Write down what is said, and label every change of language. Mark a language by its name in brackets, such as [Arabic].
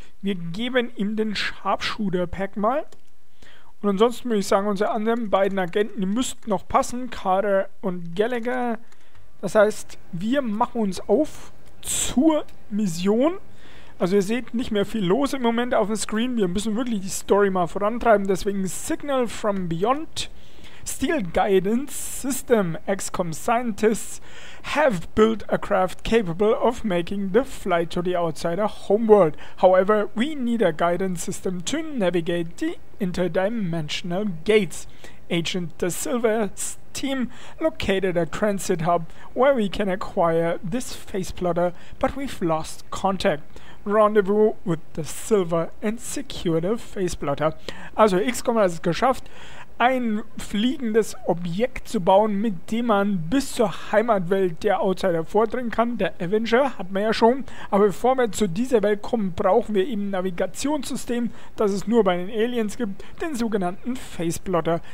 [German] Wir geben ihm den Sharpshooter-Pack mal. Und ansonsten würde ich sagen, unsere anderen beiden Agenten, die müssten noch passen, Carter und Gallagher. Das heißt, wir machen uns auf zur Mission. Also ihr seht nicht mehr viel los im Moment auf dem Screen. Wir müssen wirklich die Story mal vorantreiben. Deswegen Signal from Beyond. [English] Steel Guidance System, XCOM Scientists have built a craft capable of making the flight to the outsider homeworld. However, we need a guidance system to navigate the interdimensional gates. Agent De Silva's team located a transit hub where we can acquire this face plotter, but we've lost contact. Rendezvous with De Silva and secure the face plotter. [German] Also, XCOM hat es geschafft, ein fliegendes Objekt zu bauen, mit dem man bis zur Heimatwelt der Outsider vordringen kann. Der Avenger hat man ja schon. Aber bevor wir zu dieser Welt kommen, brauchen wir eben ein Navigationssystem, das es nur bei den Aliens gibt, den sogenannten Faceplotter.